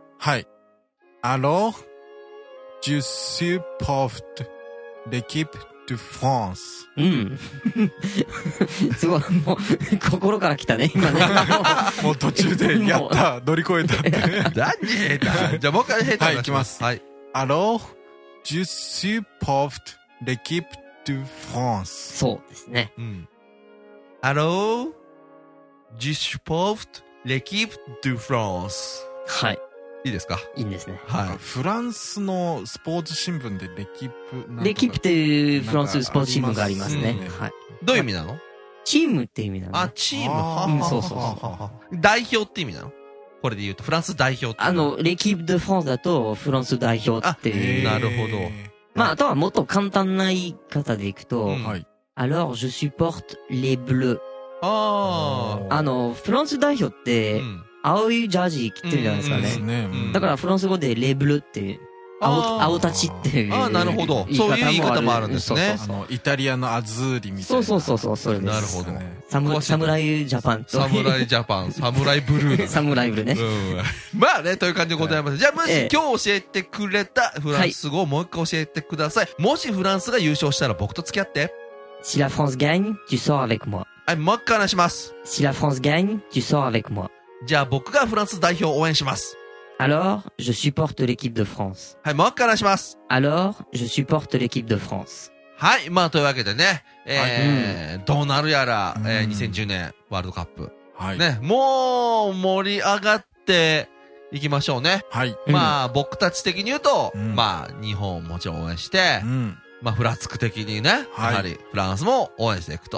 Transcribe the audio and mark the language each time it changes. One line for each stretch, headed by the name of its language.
French: はい Alors je supporte l'équipe de France
Japanese: うんすごいもう心から来たね今ねもう途中でやった乗り越えたって何ヘイタンじゃあ僕からヘイタンはい行きますはい
French: AlorsJe supporte l'équipe de France.
Japanese: そうですね。うん。
French: Alors, je supporte l'équipe de France.
Japanese: はい。いいですか？いいんですね。はい。フランスのスポーツ新聞でl'équipe。 l'équipe de France スポーツ新聞がありますね。はい。どういう意味なの？チームって意味なの？あ、チーム。うん、そうそうそう。代表って意味なの？これで言うとフランス代表ってあのレキープドフランスだとフランス代表っていうなるほどまああとはもっと簡単な言い方でいくと、うん、はい
French: alors je supporte les bleus
Japanese: あああのフランス代表って青いジャージ着てるじゃないですかね、うんうん、だからフランス語でレブルっていう青たちっていうあなるほどそういう言い方もあるんですねそうそうそうあのイタリアのアズーリみたいなそうそうそうそうなるほどねサムライジャパンとサムライジャパンサムライブルーサムライブルーね、うん、まあねという感じでございますじゃあもし今日教えてくれたフランス語をもう一回教えてください、はい、もしフランスが優勝したら僕と付き合って
French: Si la France gagne, tu sors avec moi
Japanese: はいもう一回話します
French: Si la France gagne, tu sors avec moi
Japanese: じゃあ僕がフランス代表を応援します
French: Alors, je supporte l'équipe de France.
Japanese: はい、もう一回話します。
French: Alors, je supporte l'équipe de France.
Japanese: はい、まあというわけでね、どうなるやら、2010年ワールドカップ、はい、ね、もう盛り上がって行きましょうね。はい。まあ、うん、僕たち的に言うと、うん、まあ、日本をもちろん応援して、うん、まあ、フラツク的にね、はい、やはりフランスも応援していくと。